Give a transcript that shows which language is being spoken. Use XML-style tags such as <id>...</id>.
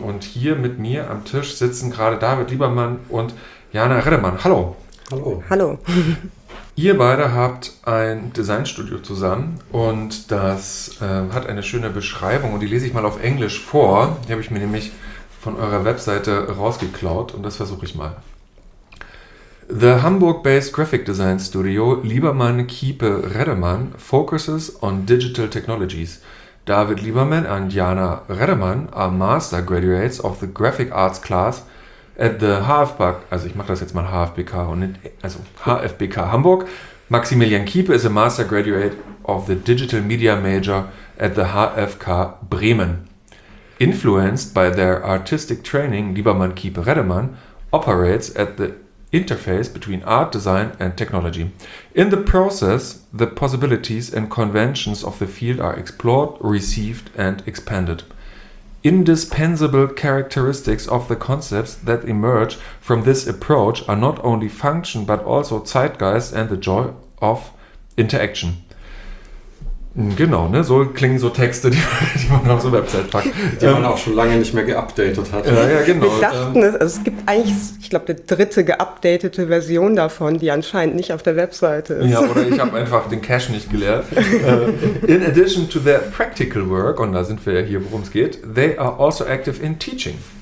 <de>Und hier mit mir am Tisch sitzen gerade David Liebermann und Jana Reddemann. Hallo. Hallo. Hallo. Ihr beide habt ein Designstudio zusammen und das hat eine schöne Beschreibung und die lese ich mal auf Englisch vor. Die habe ich mir nämlich von eurer Webseite rausgeklaut und das versuche ich mal.</de> <en>The Hamburg-based graphic design studio Liebermann Kiepe Reddemann focuses on digital technologies. David Liebermann and Jana Reddemann are master graduates of the graphic arts class at the HFBK,</en> <de>also ich mache das jetzt mal HFBK, und nicht, also HFBK Hamburg.</de> <en>Maximilian Kiepe is a master graduate of the digital media major at the HFK Bremen. Influenced by their artistic training, Liebermann Kiepe Reddemann operates at the interface between art, design and technology. In the process, the possibilities and conventions of the field are explored, received and expanded. Indispensable characteristics of the concepts that emerge from this approach are not only function but also Zeitgeist and the joy of interaction.</en> <de>Genau, ne? So klingen so Texte, die man auf so Website packt. Die man auch schon lange nicht mehr geupdatet hat. Ja, genau. Wir dachten, es gibt eigentlich, ich glaube, eine dritte geupdatete Version davon, die anscheinend nicht auf der Webseite ist. Ja, oder ich habe einfach den Cache nicht geleert.</de> <en>In addition to their practical work,</en> <de>und da sind wir ja hier, worum es geht,</de> <en>they are also active in teaching.</en>